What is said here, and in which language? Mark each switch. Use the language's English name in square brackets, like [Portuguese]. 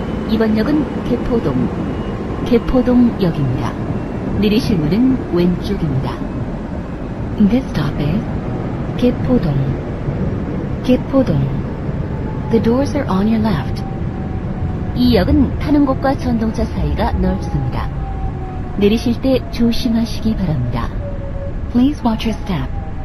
[Korean] 이번 역은 개포동, 개포동역입니다. 내리실 문은 왼쪽입니다. [English] This stop is 개포동, 개포동. The doors are on your left. [Korean] 이 역은 타는 곳과 전동차 사이가 넓습니다. 내리실 때 조심하시기 바랍니다. [English] Please watch your step.